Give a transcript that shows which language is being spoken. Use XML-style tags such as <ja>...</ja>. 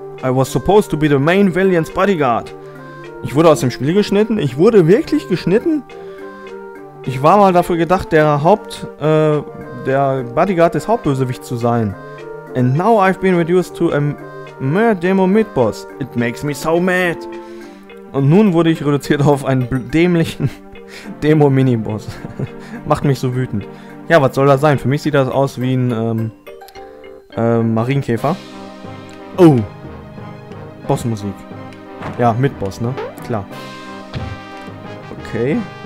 <en>I was supposed to be the main Valiant's bodyguard.</en> <de>Ich wurde aus dem Spiel geschnitten? Ich wurde wirklich geschnitten? Ich war mal dafür gedacht, der Bodyguard des Hauptbösewichts zu sein.</de> <en>And now I've been reduced to a mere demo mid-boss. It makes me so mad.</en> <de>Und nun wurde ich reduziert auf einen dämlichen Demo-Mini-Boss. Macht mich so wütend. Ja, was soll das sein? Für mich sieht das aus wie ein, Marienkäfer. Oh! Bossmusik. Ja, mit Boss, ne? Klar. Okay.</de>